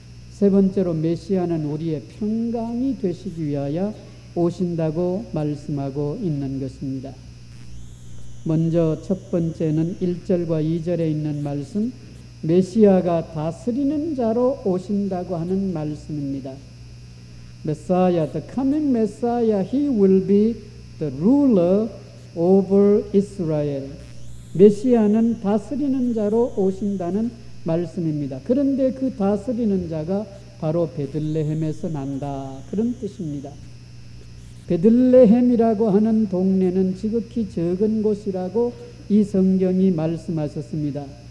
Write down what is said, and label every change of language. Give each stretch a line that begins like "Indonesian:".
Korean: 세 번째로 메시아는 우리의 평강이 되시기 위하여 오신다고 말씀하고 있는 것입니다. 먼저 첫 번째는 1절과 2절에 있는 말씀 메시아가 다스리는 자로 오신다고 하는 말씀입니다.
English: Messiah, the coming Messiah, he will be the ruler over Israel.
Korean: 메시아는 다스리는 자로 오신다는 말씀입니다. 그런데 그 다스리는 자가 바로 베들레헴에서 난다. 그런 뜻입니다. 베들레헴이라고 하는 동네는 지극히 적은 곳이라고 이 성경이 말씀하셨습니다.